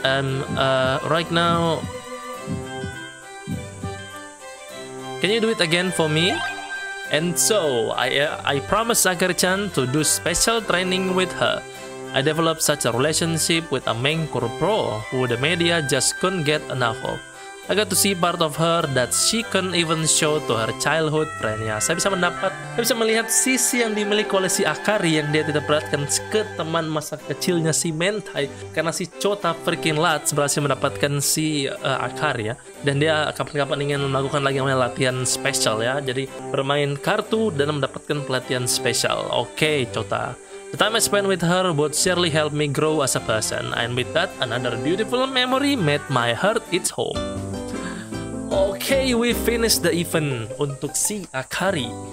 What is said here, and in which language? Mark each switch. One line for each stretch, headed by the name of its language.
English: Right now, can you do it again for me? And so, I promise Akari-chan to do special training with her. I developed such a relationship with a Menkur pro who the media just couldn't get enough of. I got to see part of her that she can't even show to her childhood friend.
Indonesian: Ya, saya bisa melihat sisi yang dimiliki oleh si Akari yang dia tidak perhatikan ke teman masa kecilnya si Mentai, karena si Chota freaking lats berhasil mendapatkan si Akari ya, dan dia kapan-kapan ingin melakukan lagi namanya latihan spesial ya, jadi bermain kartu dan mendapatkan pelatihan spesial.
English: Okay, Chota. The time I spent with her would surely help me grow as a person. And with that, another beautiful memory made my heart its home. Okay, we finished the event
Indonesian: untuk si Akari.